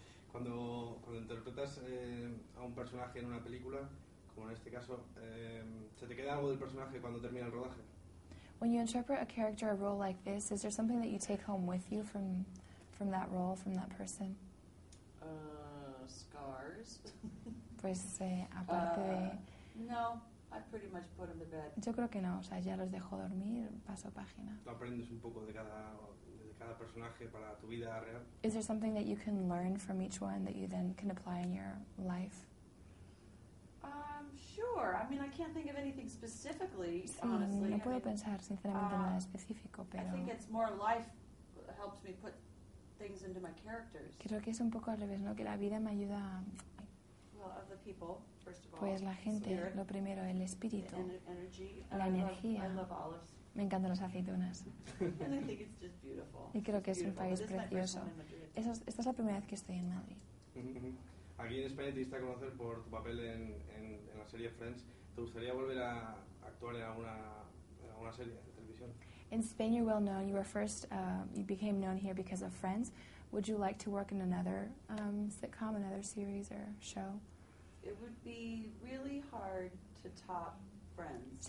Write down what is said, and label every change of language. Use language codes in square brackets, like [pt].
[es] Cuando interpretas a un personaje en una película, como en este caso, ¿se te queda algo del personaje cuando termina el rodaje? [en] When you interpret a character, a role like this, is there something that you take home with you from that role, from that person? Scars. [es] Pues aparte de... [en] No. I pretty much put him to bed. [es] Yo creo que no, o sea, ya los dejo dormir, paso página. ¿Lo aprendes un poco de cada personaje para tu vida real? [en] Is there something that you can learn from each one that you then can apply in your life? Sure. I mean, I can't think of anything specifically, [es] sí, [en] honestly. [es] No puedo pensar sinceramente en nada específico, pero [en] I think it's more life helps me put things into my characters. [es] Creo que es un poco al revés, ¿no? Que la vida me ayuda a... [en] Of the people, first of all. [es] Pues la gente, spirit, lo primero, el espíritu, la energía. [en] I love [es] me encantan las aceitunas. [en] And I think it's just beautiful. [es] Y creo [en] it's [es] que es un país precioso. Esta es la primera vez que estoy en Madrid. Aquí en España te diste a conocer por tu papel en la serie Friends. ¿Te gustaría volver a actuar en alguna serie de televisión? In Spain you're well known. You were first, you became known here because of Friends. Would you like to work in another sitcom, another series or show? It would be really hard to top Friends.